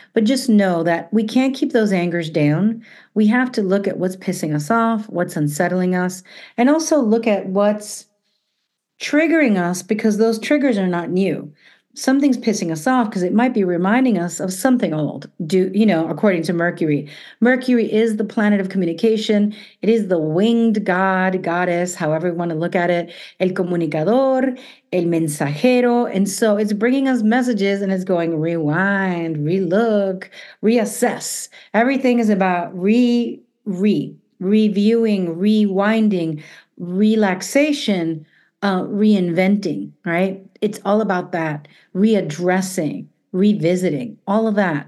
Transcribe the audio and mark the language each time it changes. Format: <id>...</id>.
<en>But just know that we can't keep those angers down. We have to look at what's pissing us off, what's unsettling us, and also look at what's triggering us, because those triggers are not new. Something's pissing us off because it might be reminding us of something old. According to Mercury. Mercury is the planet of communication. It is the winged god, goddess, however you want to look at it.</en> <es>El comunicador, el mensajero.</es> <en>And so it's bringing us messages and it's going, rewind, relook, reassess. Everything is about reviewing, rewinding, relaxation, reinventing, right? It's all about that, readdressing, revisiting, all of that.</en>